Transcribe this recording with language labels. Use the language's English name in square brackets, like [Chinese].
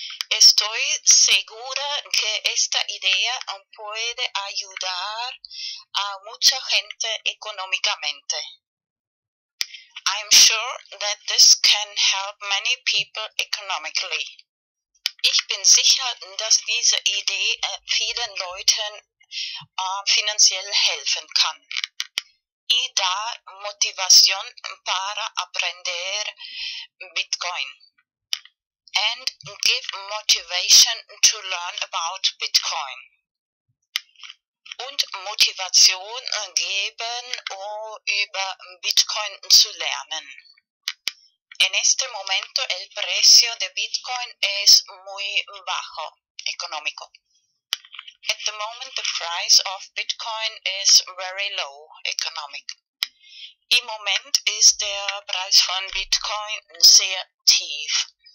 [Spanish] Estoy segura que esta idea puede ayudar a mucha gente económicamente. [English] I'm sure that this can help many people economically. [German] Ich bin sicher, dass diese Idee vielen Leuten finanziell helfen kann. [Spanish] Y da motivación para aprender Bitcoin. [English] And give motivation to learn about Bitcoin. [German] Und Motivation geben, über Bitcoin zu lernen. [Spanish] En este momento el precio de Bitcoin es muy bajo, económico. [English] At the moment the price of Bitcoin is very low, economic. [German] Im Moment ist der Preis von Bitcoin sehr tief.